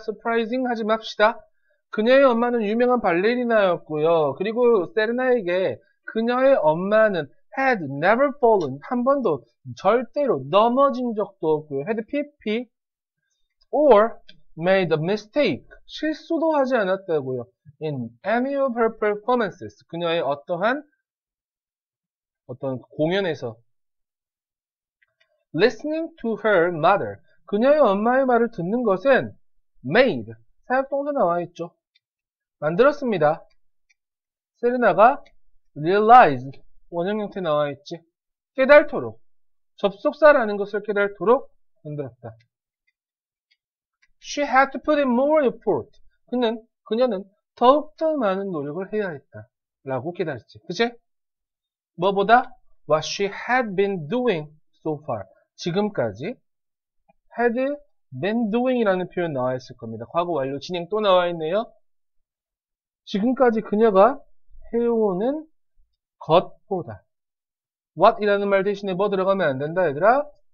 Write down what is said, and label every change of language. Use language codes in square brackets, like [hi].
[ko] surprising 하지 맙시다. 그녀의 엄마는 유명한 발레리나였고요. 그리고 세레나에게 그녀의 엄마는 [en] had never fallen. [ko] 한 번도 절대로 넘어진 적도 없고요. [en] had PP or made a mistake. [ko] 실수도 하지 않았다고요. [en] in any of her performances. [ko] 그녀의 어떤 공연에서. [en] listening to her mother. [ko] 그녀의 엄마의 말을 듣는 것은 made. 사역동사 나와 있죠. 만들었습니다. 세레나가 realize 원형 형태 나와 있지. 깨달도록. 접속사라는 것을 깨달도록 만들었다. [en] She had to put in more effort. [ko] 그녀는 더욱더 많은 노력을 해야 했다. 라고 깨달았지. 그치? 뭐보다 [en] what she had been doing so far. [ko] 지금까지 [en] had been doing [ko] 이라는 표현 나와 있을 겁니다. 과거 완료 진행 또 나와 있네요. 지금까지 그녀가 해오는 것보다 what 이라는 말 대신에 뭐 들어가면 안 된다 얘들아?